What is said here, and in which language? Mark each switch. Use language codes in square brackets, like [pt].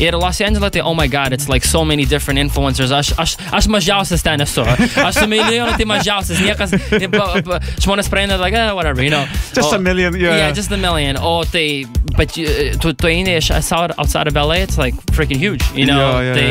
[en] Ir Los Angeles, tai, oh my god, it's like so many different influencers. [lt] Aš mažiausias ten esu. Aš su milijonu, tai mažiausias. Niekas, žmonės praeina, [en] like, whatever, you know. Just a million, yeah. Just a million. [lt] O tai, [en] but [lt] tu eini iš [en] outside of LA, it's like freaking huge, you know.